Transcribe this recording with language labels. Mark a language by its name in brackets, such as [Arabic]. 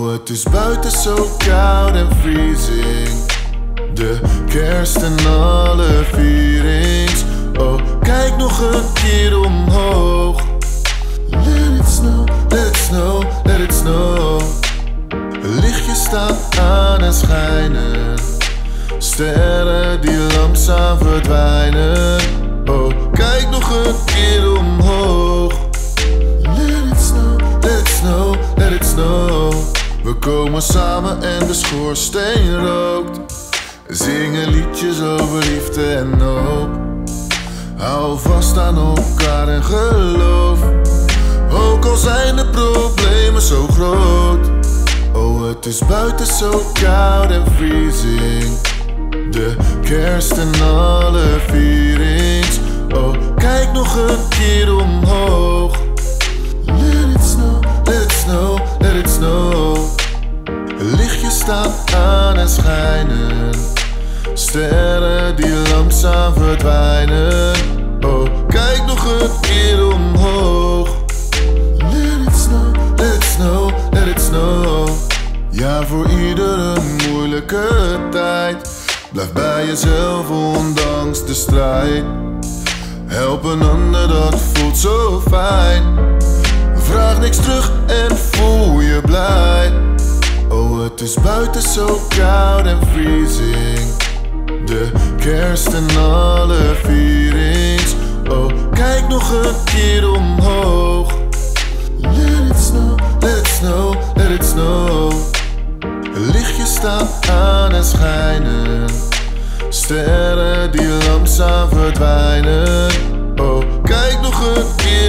[Dutch] Het is buiten zo koud en vriezing. De kerst en alle vierings. Oh, kijk nog een keer omhoog. [English] Let it snow, let it snow, let it snow. [Dutch] Lichtjes staan aan en schijnen. Sterren die langzaam verdwijnen. Oh, kijk nog een keer omhoog. [English] Let it snow, let it snow, let it snow. [Dutch] We komen samen en de schoorsteen rookt. Zingen liedjes over liefde en hoop. Hou vast aan elkaar en geloof. Ook al zijn de problemen zo groot. Oh, het is buiten zo koud en vriezing. De kerst en alle vierings. Oh, kijk nog een keer omhoog. [English] Let it snow, let it snow, let it snow. [Dutch] Lichtjes staan aan en schijnen. Sterren die langzaam verdwijnen. Oh, kijk nog een keer omhoog. [English] Let it snow, let it snow, let it snow. [Dutch] Ja, voor iedere moeilijke tijd. Blijf bij jezelf ondanks de strijd. Help een ander, dat voelt zo fijn. Vraag niks terug en voel je blij. Oh, het is buiten zo koud en vriezing. De kerst en alle vierings. Oh, kijk nog een keer omhoog. [English] Let it snow, let it snow, let it snow. [Dutch] Lichtjes staan aan en schijnen. Sterren die langzaam verdwijnen. Oh, kijk nog een keer omhoog.